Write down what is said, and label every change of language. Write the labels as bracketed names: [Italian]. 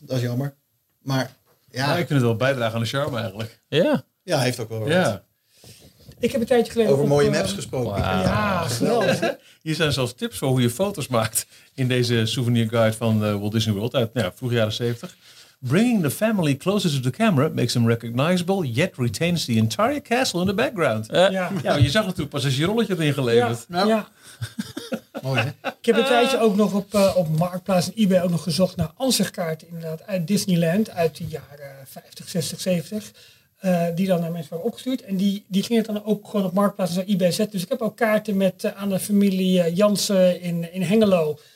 [Dutch] Dat is jammer. Maar ik vind het wel bijdragen aan de charme eigenlijk. Ja. Ja, heeft ook wel wat. Ja. Ik heb een tijdje geleden over mooie maps gesproken. Wow. Ja, geweldig. Hier zijn zelfs tips voor hoe je foto's maakt in deze souvenir guide van Walt Disney World uit vroeg jaren 70. [English] Bringing the family closer to the camera makes them recognizable, yet retains the entire castle in the background. [Dutch] Je zag het toen pas als je rolletje erin geleverd. Ja. Mooi, hè? Ik heb een tijdje ook nog op Marktplaats en eBay ook nog gezocht naar ansichtkaarten inderdaad uit Disneyland uit de jaren 50, 60, 70. Die dan naar mensen waren opgestuurd. En die ging het dan ook gewoon op Marktplaats en zo eBay zetten. Dus ik heb ook kaarten met aan de familie Jansen in Hengelo.